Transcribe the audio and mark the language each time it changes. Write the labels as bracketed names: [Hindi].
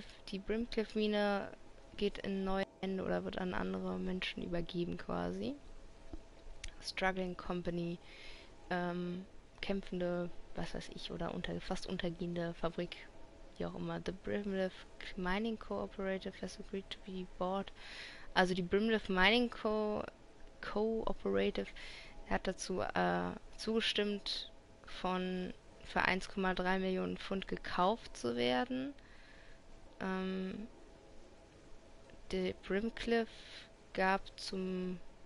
[German] Die Brimcliff Mine geht in neue Hände oder wird an andere Menschen übergeben quasi. [English] Struggling Company, [German] kämpfende, was weiß ich, oder fast untergehende Fabrik, wie auch immer. [English] The Brimcliff Mining Cooperative has agreed to be bought. [German] Also die Brimcliff Mining Cooperative hat dazu zugestimmt, für 1,3 Millionen Pfund gekauft zu werden. Die Brimcliff gab zum...